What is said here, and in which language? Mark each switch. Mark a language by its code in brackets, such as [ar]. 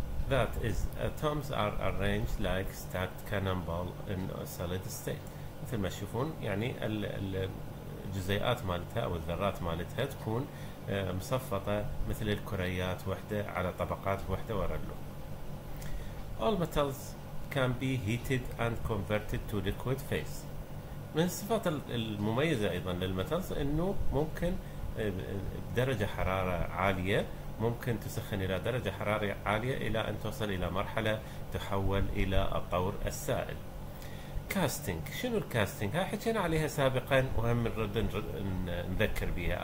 [en] That is, atoms are arranged like stacked cannonball in a solid state. [ar] مثل ما تشوفون يعني الجزيئات مالتها أو الذرات مالتها تكون مصفطة مثل الكريات، وحدة على طبقات وحدة ورا الأخرى. [en] All metals can be heated and converted to liquid phase. [ar] من الصفات المميزة أيضا للميتالز أنه ممكن بدرجة حرارة عالية، ممكن تسخن إلى درجة حرارة عالية إلى أن توصل إلى مرحلة تحول إلى الطور السائل. كاستينج، شنو الكاستينج؟ هاي حكينا عليها سابقا وهم نرد نذكر بها.